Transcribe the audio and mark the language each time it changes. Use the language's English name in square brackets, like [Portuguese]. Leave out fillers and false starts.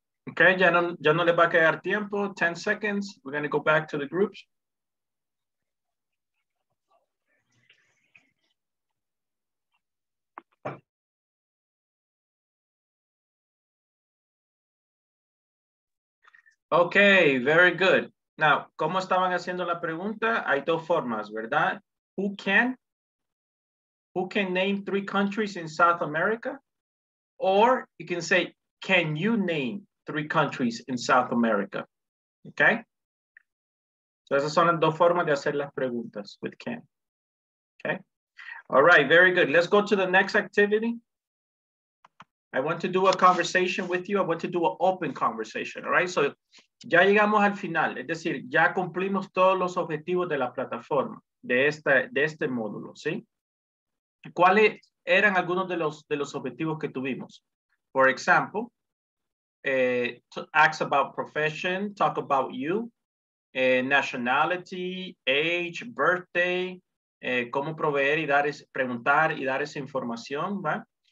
[Spanish] Okay, ya no le va a quedar tiempo. [English] 10 seconds. We're going to go back to the groups. Ok, very good. Now, [Spanish] ¿cómo estaban haciendo la pregunta? Hay dos formas, ¿verdad? [English] Who can name three countries in South America? Or you can say, can you name three countries in South America? [Spanish] Ok. [English] So [Spanish] esas son las dos formas de hacer las preguntas [English] with can. [Spanish] Ok. [English] All right, very good. Let's go to the next activity. I want to do a conversation with you. I want to do an open conversation, all right? So, [Spanish] ya llegamos al final. Es decir, ya cumplimos todos los objetivos de la plataforma, de este módulo, ¿sí? ¿Cuáles eran algunos de los objetivos que tuvimos? [English] For example, ask about profession, talk about you, nationality, age, birthday, [Spanish] cómo proveer y dar es, preguntar y dar esa información, ¿va?